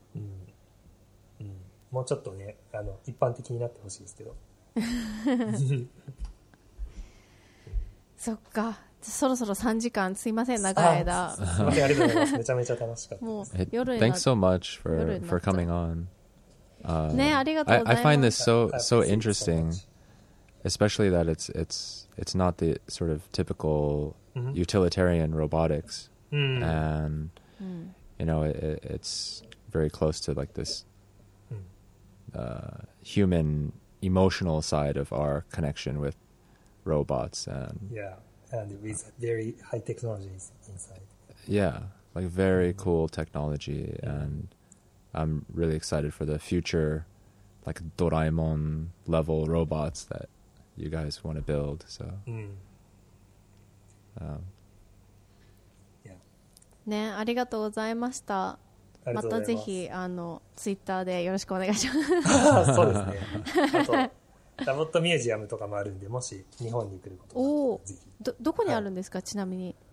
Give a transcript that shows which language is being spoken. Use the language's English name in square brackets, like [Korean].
[Japanese] うんうん、もうちょっとねあの一般的になってほしいですけどそっか、そろそろ3時間すいません長い間ありがとうございます、めちゃめちゃ楽しかったです。もう夜に [English] Thanks so much for coming on、 [Japanese] ね、ありがとうございます。 [English] I find this so interesting especially that it's not the sort of typical utilitarian robotics、 mm-hmm. and、 mm-hmm. you know it's very close to like this、mm-hmm. Human emotional side of our connection with robots and yeahAnd with very high technologies inside. Yeah, like very cool technology. And I'm really excited for the future, like Doraemon level robots that you guys want to build. So,、 yeah. [Japanese] ね、ありがとうございました。またぜひ、あの、Twitter でよろしくお願いします。そうですね。ダボットミュージアムとかもあるんで、もし日本に来ることがあったらぜひ。どこにあるんですか、はい、ちなみに。